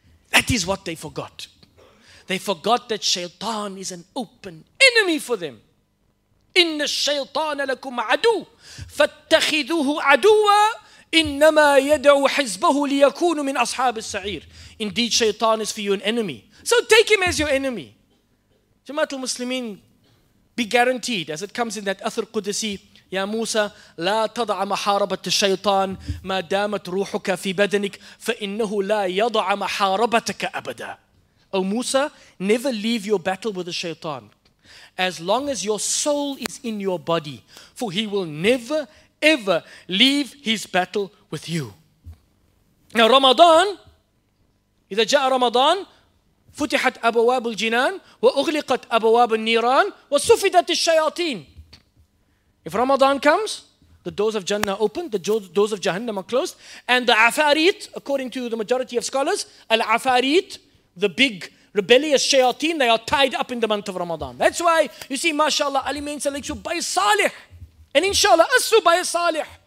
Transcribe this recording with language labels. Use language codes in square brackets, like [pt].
[en] That is what they forgot. They forgot that Shaytan is an open enemy for them. [ar] إِنَّ الشَّيْطَانَ لَكُمْ عَدُوٌ فَاتَّخِذُوهُ عَدُوًا إِنَّمَا يَدْعُوا حِزْبَهُ لِيَكُونُ مِنْ أَصْحَابِ السَّعِيرِ. [en] Indeed, Shaytan is for you an enemy. So take him as your enemy. Jamaatul Muslimin, be guaranteed, as it comes in that Athar Qudsi, [ar] يَا مُوسَى لَا تَضَعَ مَحَارَبَةَ الشَّيْطَانِ مَا دَامَتْ رُوحُكَ فِي بَدَنِكَ فَإِنَّهُ لَا يَضَعَ مَحَارَبَتَكَ أَبَدًا. [en] O Musa, never leave your battle with the shaytan as long as your soul is in your body, for he will never ever leave his battle with you. Now Ramadan, [ar] إِذَا جَاءَ رَمَضَانَ فُتِحَتْ أَبَوَابُ الْجِنَانِ وَأُغْلِقَتْ أَبَوَابُ النِّيرَانِ وَسُفِدَتِ الشَّيَاطِينَ. [en] If Ramadan comes, The doors of Jannah are open, the doors of Jahannam are closed. And the Afarit, according to the majority of scholars, Al-Afarit, the big rebellious shayateen, they are tied up in the month of Ramadan. That's why you see, mashallah, Ali Main Salih by Salih. And inshallah, Asu by Salih.